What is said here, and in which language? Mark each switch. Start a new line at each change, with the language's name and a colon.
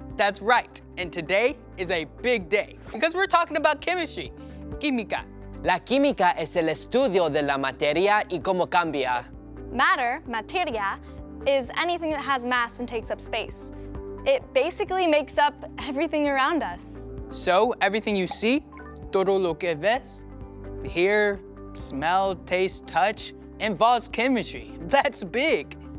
English: That's right, and today is a big day because we're talking about chemistry, química.
Spanish: La química es el estudio de la materia y cómo cambia.
English: Matter, materia, is anything that has mass and takes up space. It basically makes up everything around us. So everything you see,
Spanish: todo lo que ves,
English: hear, smell, taste, touch, involves chemistry. That's big.